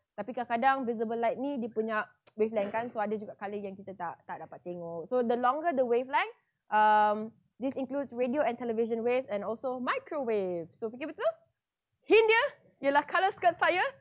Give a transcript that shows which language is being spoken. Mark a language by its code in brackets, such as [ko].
[ms] Tapi kadang-kadang visible light ni dia punya wavelength kan. So, ada juga color yang kita tak dapat tengok. [en] So, the longer the wavelength, this includes radio and television waves and also microwave. [ms] So, fikir betul? Hint dia ialah color skirt saya.